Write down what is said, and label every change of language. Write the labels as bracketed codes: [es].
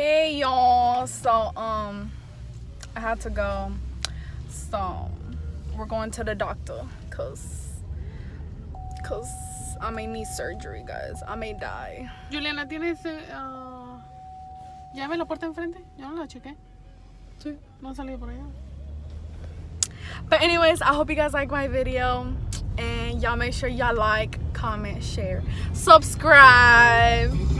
[en] I had to go, so we're going to the doctor because I may need surgery, guys. I may die. [es] Juliana, tienes llave en la puerta enfrente? Yo no la chequé. Sí, no ha salido por allá. [en] But anyways, I hope you guys like my video, and y'all make sure y'all like, comment, share, subscribe.